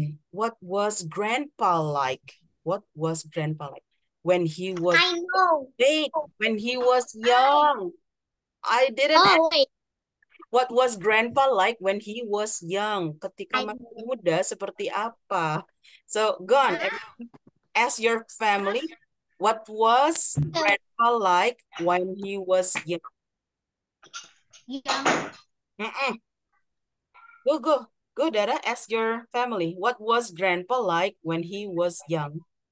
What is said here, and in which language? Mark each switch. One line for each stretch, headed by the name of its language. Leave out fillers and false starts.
English: What was grandpa like? What was grandpa like when he was big, when he was young? I didn't oh, wait. What was grandpa like when he was young?
Indonesian: Ketika masih muda seperti apa?
English: So go on. Ask your family, what was grandpa like when he was young? Young. Go, go. Go, Dara. Ask your family, what was grandpa like when he was young?